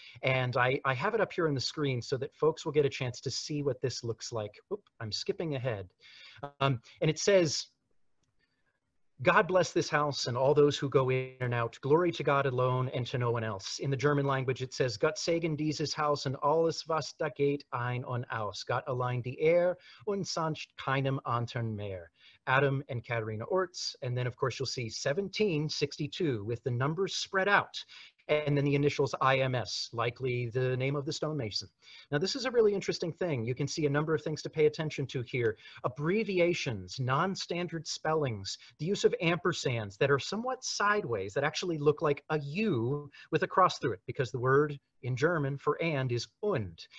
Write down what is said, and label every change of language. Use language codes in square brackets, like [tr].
[en] And I have it up here on the screen so that folks will get a chance to see what this looks like. Oop, I'm skipping ahead. And it says, God bless this house and all those who go in and out. Glory to God alone and to no one else. In the German language, it says, [de] Gott segen dieses Haus und alles, was da geht ein und aus. Gott allein die Ehre und sonst keinem anderen mehr. [en] Adam and Katerina Orts. And then, of course, you'll see 1762 with the numbers spread out. And then the initials IMS, likely the name of the stonemason. Now, this is a really interesting thing. You can see a number of things to pay attention to here. Abbreviations, non-standard spellings, the use of ampersands that are somewhat sideways, that actually look like a U with a cross through it, because the word in German for and is und.